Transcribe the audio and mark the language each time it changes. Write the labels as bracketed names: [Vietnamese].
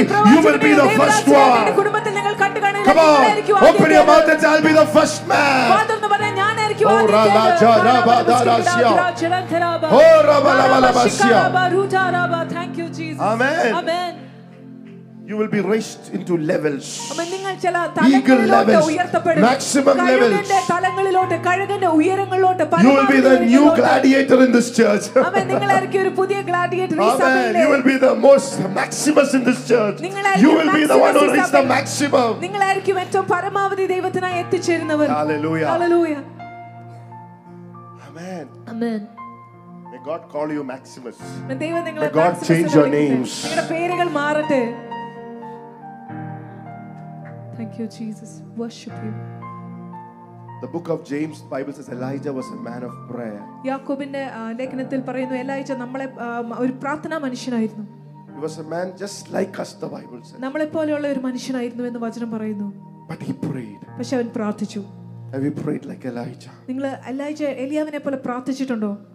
[English] You will be the first one. Come on, open your mouth and say, I'll be the first man. Amen. You will be raised into levels. Amen. [Malayalam] നിങ്ങൾ ചില തലങ്ങളിലേക്ക് ഉയർത്തപ്പെടും. [English] Maximum levels. [Malayalam] നിങ്ങളുടെ തലങ്ങളിലോട്ട് കഴുകന്റെ ഉയരങ്ങളിലോട്ട് പരമാവധി. [English] You will be the new gladiator in this church. Amen. [Malayalam] നിങ്ങളായിരിക്കും ഒരു പുതിയ gladiator ഈ സഭയിൽ. [English] Amen. You will be the most maximus in this church. You will be the one who reaches the maximum. [Malayalam] നിങ്ങളായിരിക്കും ഏറ്റവും പരമാവധി ദൈവത്തിനായി എത്തിച്ചേരുന്നവർ. [English] Hallelujah. Hallelujah. Amen. Amen. May God call you Maximus. [Malayalam] May ദൈവം നിങ്ങളെ [English] Maximus. God change your names. [Malayalam] നിങ്ങളുടെ പേരുകൾ മാറട്ടെ. [English] Thank you, Jesus. Worship you. The book of James, Bible says Elijah was a man of prayer. [Malayalam] യാക്കോബിന്റെ ലേഖനത്തിൽ പറയുന്നു, Elijah നമ്മളെ ഒരു പ്രാർത്ഥനാ മനുഷ്യനായിരുന്നു. [English] He was a man just like us, the Bible says. [Malayalam] നമ്മളെ പോലെയുള്ള ഒരു മനുഷ്യനായിരുന്നു എന്ന് വചനം പറയുന്നു. [English] But he prayed. [Malayalam] പക്ഷേ അവൻ പ്രാർത്ഥിച്ചു. [English] Have you prayed like Elijah? [Malayalam] നിങ്ങൾ എലൈജ എലിയാവിനെ പോലെ പ്രാർത്ഥിച്ചിട്ടുണ്ടോ?